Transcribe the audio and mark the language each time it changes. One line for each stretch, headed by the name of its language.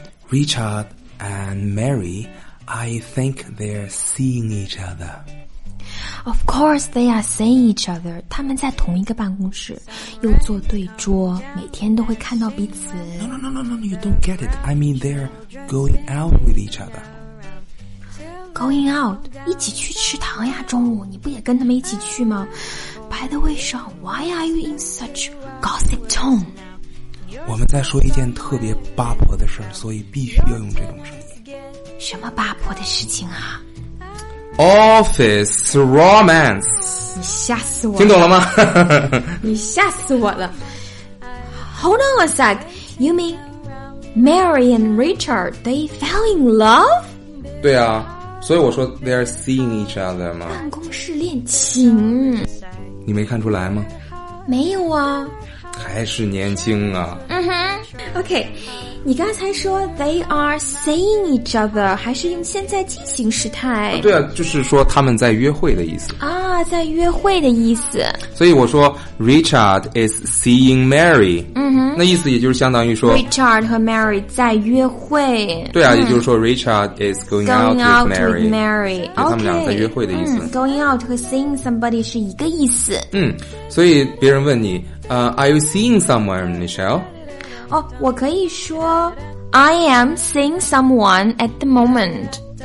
English: Richard and Mary, I think they're seeing each other. Of course, they are seeing each other.
Chinese: 他们在同一个办公室，又坐对桌，每天都会看到彼此。
English: No, you don't get it. I mean, they're going out with each other. Going out?
Chinese: 一起去吃糖呀，中午，你不也跟他们一起去吗？
English: By the way, Sean, why are you in such gossip tone?
Chinese: 我们在说一件特别八婆的事，所以必须要用这种声音。什么八婆的事情啊？
English: Office romance。
Chinese: 你吓死我了。听懂了吗？你吓死我了。
English: Hold on a sec. You mean Mary and Richard, they fell in love?
Chinese: 对啊，所以我说
English: they are seeing each other
Chinese: 吗？办公室恋情。你没看出来吗？没有啊。还是年轻啊。嗯哼。OK, 你刚才说
English: they are seeing each other,
Chinese: 还是用现在进行时态？对啊，就是说他们在约会的意思。啊，在约会的意思。所以我说
English: Richard is seeing Mary。
Chinese: 嗯哼。那意思也就是相当于说 Richard 和 Mary 在约会。对啊，也就是说
English: Richard is going out with Mary 。
Chinese: 他们俩在约会的意思。
English: Okay, going out 和 seeing somebody
Chinese: 是一个意思。嗯，所以别人问你
English: are you seeing someone, Michelle?
Chinese: 我可以说
English: I am seeing someone at the moment.